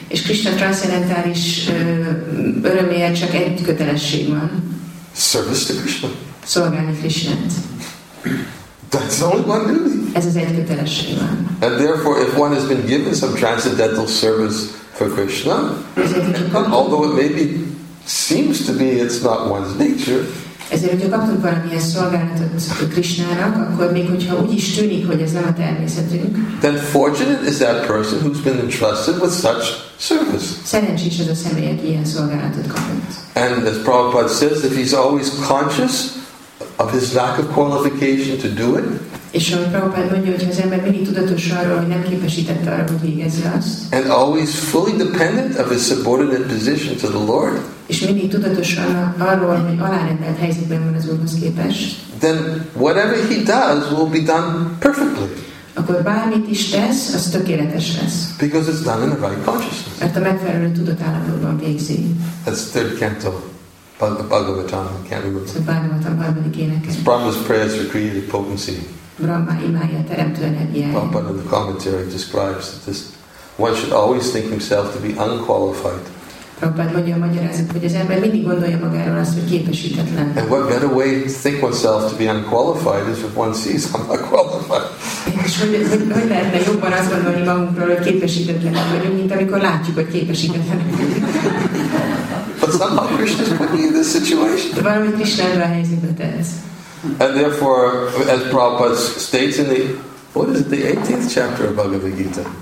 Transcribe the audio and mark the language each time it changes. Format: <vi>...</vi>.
<en>Service to Krishna.</en> <hu>Szolgálni Krishnát.</hu> <en>That's only one duty.</en> <hu>Ez az egy kötelesség.</hu> <en>And therefore, if one has been given some transcendental service for Krishna, although it maybe seems to be it's not one's nature.</en> <hu>Ezért, hogyha kaptunk valamilyen szolgálatot Krishnának, akkor még hogyha úgy is tűnik, hogy ez nem a természetünk.</hu> <en>Then fortunate is that person who's been entrusted with such service.</en> <hu>Szerencsés az a személy, aki ilyen szolgálatot kapott.</hu> <en>And as Prabhupada says, if he's always conscious of his lack of qualification to do it.</en> <hu>És ahogy Prabhupada mondja, hogy az ember mindig tudatos arról, hogy nem képesített arra, hogy végezze azt.</hu> <en>And always fully dependent of his subordinate position to the Lord.</en> <hu>És mindig tudatos arról, hogy alárendelt helyzetben van az Úrhoz képest.</hu> <en>Then whatever he does will be done perfectly.</en> <hu>Akkor bármit is tesz, az tökéletes lesz.</hu> <en>Because it's done in the right consciousness.</en> <hu>Mert a megfelelő tudatállapotban végzi.</hu> <en>That's third canto. Bhagavatam, I can't remember.</en> <hu>So, Bhagavatam, harmadik éneke.</hu> <en>Brahma's prayers for creative potency.</en> <hu>Brahma imája teremtő energiája.</hu> <en>Prabhupada in the commentary describes that this one should always think himself to be unqualified.</en> <hu>Prabhupada mondja a magyarázat, hogy az ember mindig gondolja magáról azt, hogy képesítetlen.</hu> <en>And what better way to think oneself to be unqualified is if one sees I'm not qualified.</en> <hu>És hogy lehetne jobban azt gondolni magunkról, hogy képesítetlenek vagyunk, mint amikor látjuk, hogy képesítetlenek vagyunk.</hu> <en>But somehow Krishna is putting you in this situation.</en> <hu>De valami Krishna ebben a helyzetben tesz.</hu> <en>And therefore, as Prabhupada states in the, what is it, the 18th chapter of Bhagavad Gita?</en>